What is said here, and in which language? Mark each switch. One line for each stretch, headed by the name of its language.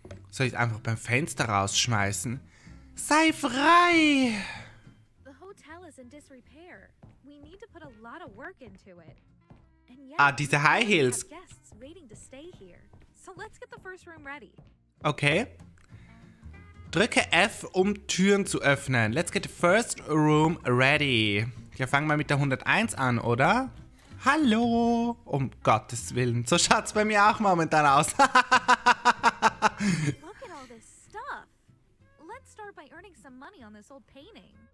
German: Soll ich einfach beim Fenster rausschmeißen? Sei frei!
English: The hotel is in disrepair. We need to put a lot of work into it. And yet,
German: diese High Heels.
English: We have guests waiting to stay here. So let's get the first room ready. Okay.
German: Drücke F, um Türen zu öffnen.
English: Let's get the first room ready.
German: Wir fangen mal mit der 101 an, oder? Hallo. Um Gottes Willen. So schaut's bei mir auch momentan aus.
English: Look at all this stuff. Let's start by earning some money on this old painting.